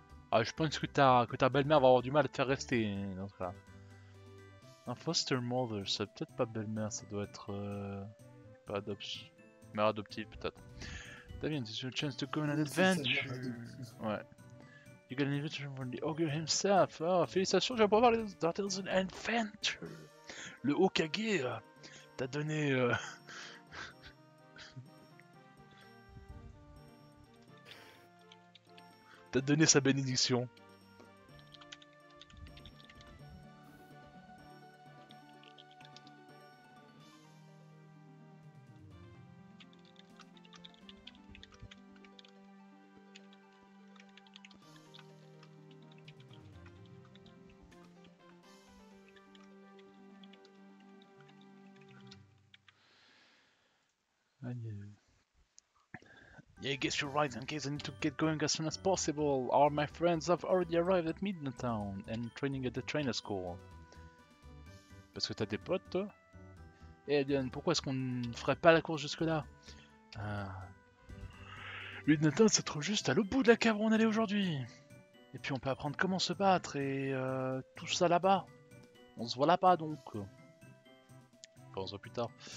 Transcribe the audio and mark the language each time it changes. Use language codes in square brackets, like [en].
[fr] Ah, je pense que ta belle-mère va avoir du mal à te faire rester dans ce cas. Un foster mother, c'est peut-être pas belle-mère, ça doit être pas mère adoptive peut-être. [en] Damien, this is your chance to go on an adventure. Ouais. You got an invitation from the ogre himself. [fr] Oh, félicitations, j'ai pas parlé de Dartles and Adventure. Le Hokage t'a donné t'as donné sa bénédiction. [en] I guess you're right, in case I need to get going as soon as possible. All my friends have already arrived at Midnatown and training at the trainer school. [fr] Parce que t'as des potes, toi? Hey, Adrian, pourquoi est-ce qu'on ferait pas la course jusque-là? Midnatown se trouve juste à l'autre bout de la cave où on allait aujourd'hui. Et puis on peut apprendre comment se battre et tout ça là-bas. On se voit là-bas, donc. Enfin, on se voit plus tard.